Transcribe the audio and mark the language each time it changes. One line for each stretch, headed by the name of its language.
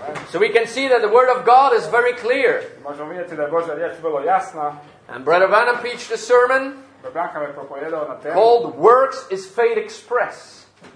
English: So we can see that the word of God is very clear.
Croatian: Možemo vidjeti da je Božja riječ vrlo jasna.
English: And Brother Branham preached a sermon.
Croatian: Brother Branham je propovjedao na temu.
English: Called Works is Faith Express.